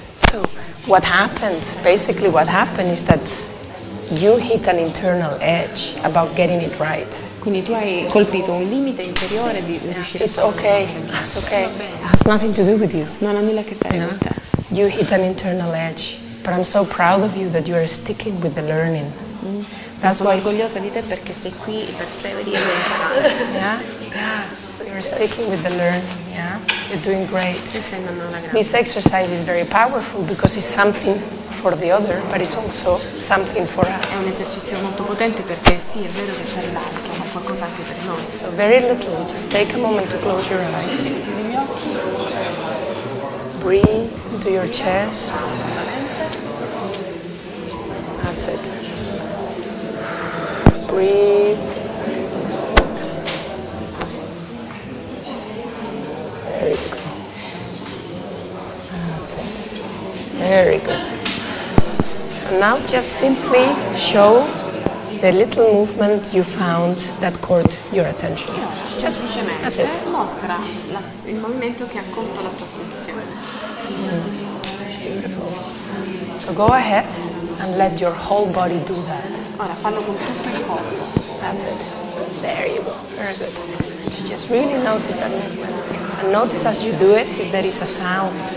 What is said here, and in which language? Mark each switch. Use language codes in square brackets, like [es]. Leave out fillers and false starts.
[en] So, what happened, basically what happened is that you hit an internal edge about getting it right. [it] Quindi tu hai colpito un limite interiore di riuscire [en] a... It's okay. It's okay. It has nothing to do with you. [it] Non ha nulla a che fare con te. [en] You hit an internal edge, but I'm so proud of you that you are sticking with the learning. That's why. [it] Orgogliosa di te perché sei qui per seguire e imparare. [en] Yeah. You're sticking with the learning. Yeah. You're doing great. This exercise is very powerful because it's something for the other, but it's also something for us. [it] È un esercizio molto potente perché sì, è vero che c'è l'altro, ma qualcosa anche per noi. [en] So very little. Just take a moment to close your eyes. Breathe into your chest. That's it. Breathe. Very good. That's it. Very good. Now just simply show the little movement you found that caught your attention. Just that's it. [it] Mostra il movimento che ha colto la tua attenzione. [en] So go ahead and let your whole body do that. [it] Ora fallo con tutto il corpo. [en] That's it. There you go. Very good. You just really notice that movement. And notice as you do it if there is a sound.